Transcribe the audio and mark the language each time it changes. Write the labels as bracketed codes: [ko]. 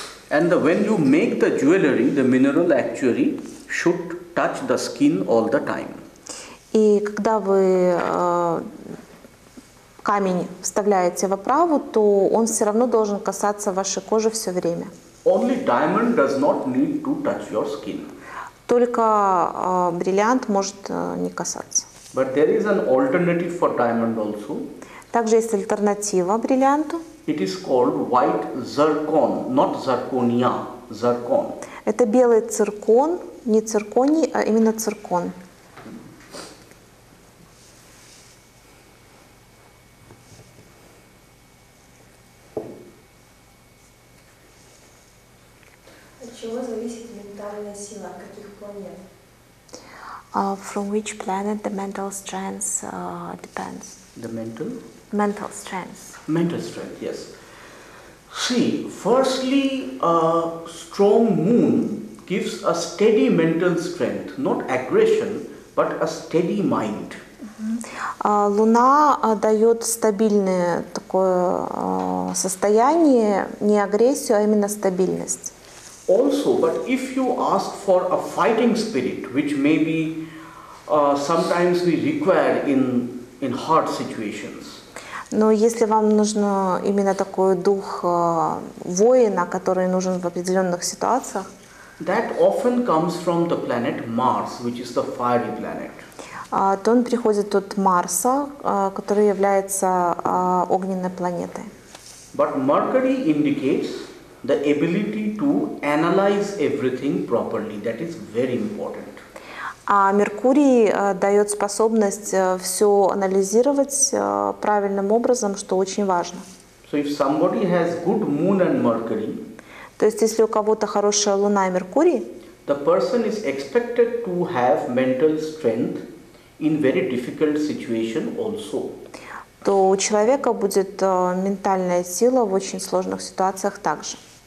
[en] And the, when you make the jewelry, the mineral actually should touch the skin all the time. [ru] И когда вы камень вставляете в оправу, то он все равно должен касаться вашей кожи все время. [en] Only diamond does not need to touch your skin. [ru] Только бриллиант может не касаться. [en] But there is an alternative for diamond also. [ru] Также есть альтернатива бриллианту. [en] It is called white zircon, not zirconia, zircon. [ru] Это белый циркон, не цирконий, а именно циркон. От чего зависит ментальная сила, от каких планет? [en] From which planet the mental strength depends? The mental? Mental strength. Mental strength, yes. See, firstly, a strong moon gives a steady mental strength, not aggression, but a steady mind. [ru] Луна дает стабильное такое состояние, не агрессию, а именно стабильность. [en] Also, but if you ask for a fighting spirit, which may be sometimes we require in hard situations. [ru] Но если вам нужен именно такой дух воина, который нужен в определенных ситуациях, [en] that often comes from the planet Mars, which is the fiery planet. [ru] То он приходит от Марса, который является огненной планетой. [en] But Mercury indicates the ability to analyze everything properly. That is very important. [ru] А Меркурий дает способность все анализировать правильным образом, что очень важно. [en] So if somebody has good moon and Mercury, [ru] то есть если у кого-то хорошая Луна и Меркурий, [en] the person is expected to have mental strength in very difficult situation also. [ru] То у человека будет ментальная сила в очень сложных ситуациях также.